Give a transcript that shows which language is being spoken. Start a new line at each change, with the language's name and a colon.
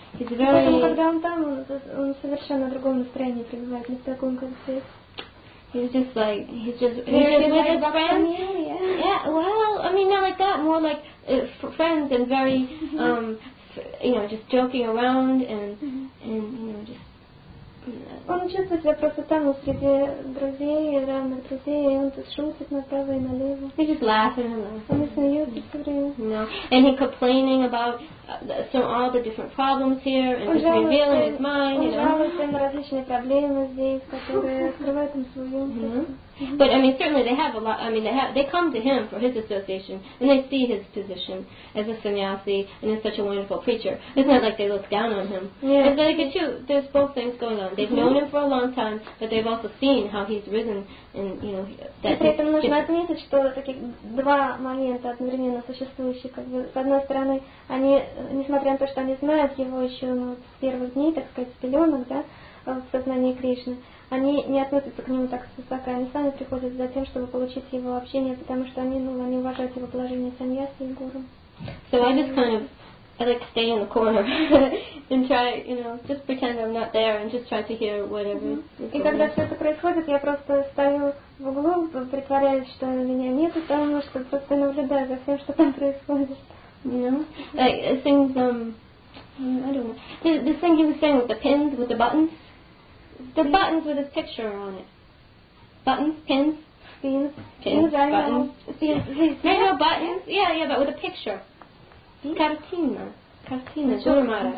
English: He's very. Friends and very, you know, just joking around and you know just.
Russian: Он чувствует себя просто там, у среди друзей, равных друзей, и он тут шутит направо и налево.
English: He's just laughing.
Russian: Он смеется все время.
English: No, and he's complaining about all the different problems here, and just revealing his mind.
Russian: Он жалуется на различные проблемы здесь, которые открывают ему свою.
English: But I mean, certainly they have a lot. I mean, they come to him for his association, and they see his position as a sannyasi and as such a wonderful preacher. It's not like they look down on him. Yeah. It's like too. There's both things going on. They've known him for a long time, but they've also seen how he's risen, and you know.
Russian: И при этом нужно отметить, что таких два момента одновременно существующие, как бы с одной стороны, они, несмотря на то, что они знают его еще с первых дней, так сказать, с пеленок, да, в сознании Кришны. Они не относятся к нему так высоко, они сами приходят за тем, чтобы получить его общение, потому что они, ну, они уважают его положение саньяси и гуру.
English: So I just kind of, I like stay in the corner and try, you know, just pretend I'm not there and just try to hear whatever. Mm-hmm.
Russian: И когда все это происходит, я просто стою в углу, притворяюсь, что меня нет, потому что просто наблюдаю за всем, что там происходит.
English: You know, like things, I don't know. This thing he was saying with the pins, with the buttons. The buttons with his picture on it. Buttons, pins, pins, buttons. Pins. Yeah. Buttons. Yeah, but with a picture. Pins?
Russian: Cartina. Guru Maharaj.